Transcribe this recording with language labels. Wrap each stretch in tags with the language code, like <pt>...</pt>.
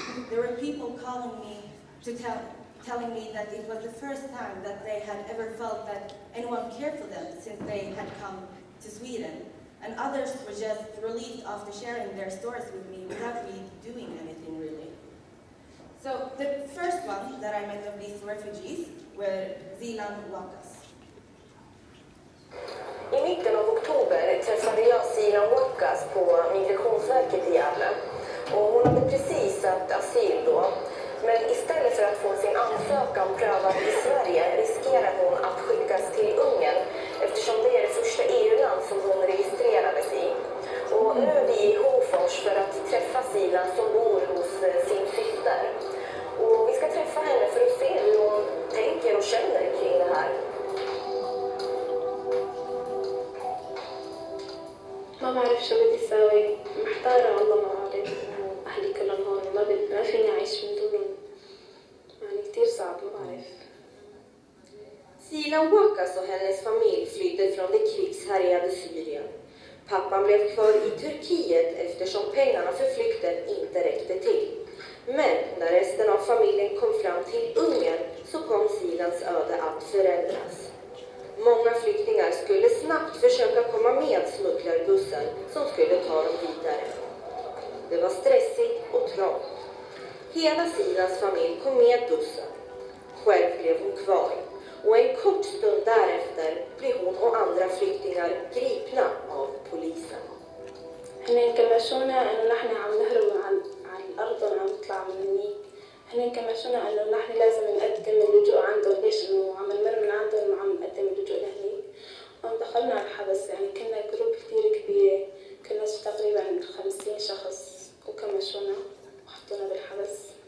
<en>There were people calling me to telling me that it was the first time that they had ever felt that anyone cared for them since they had come to Sweden. And others were just relieved after sharing their stories with me without me doing anything, really. So the first one that I met of these refugees were Zilan Wakas.</en> <sv>I mitten av oktober träffade jag Zilan Wakas på Migrationsverket I Gävle. Och hon hade precis sökt asyl då. Men istället för att få sin ansökan prövad I Sverige riskerar hon att skickas till Ungern eftersom det är det första EU-land som hon registrerades I. Och nu är vi I Hofors för att träffa Sila som bor hos sin syster. Och vi ska träffa henne för att se hur hon tänker och känner kring det här. Mamma, jag vet inte vad jag ska göra. Jag är mycket glad.</sv> <ar>أهلي كلهم هون ما فيني أعيش من دونهم يعني كتير صعب ما بعرف</ar> <sv>Zilan Wakas och hennes familj flydde från det krigshärjade Syrien. Pappan blev kvar I Turkiet eftersom pengarna för flykten inte räckte till. Men när resten familjen kom fram till Ungern så kom Silans öde att förändras. Många flyktingar skulle snabbt försöka komma med smugglarbussar som skulle ta dem vidare. Det var stressigt och trångt. Hela Silas familj kom med bussen. Själv blev hon kvar. Och en kort stund därefter blev hon och andra flyktingar gripna av polisen.</sv> <ar>احنا كما شفنا انه نحن عم نهرب عن الارض وعم نطلع من النيل. احنا كما شفنا انه نحن لازم نقدم اللجوء عنده ليش انه عم نمر من عنده وعم نقدم اللجوء لهنيك. ودخلنا على الحبس يعني كنا جروب كثير كبيره، كنا تقريبا 50 شخص وكما شفنا وحطونا بالحبس.</ar>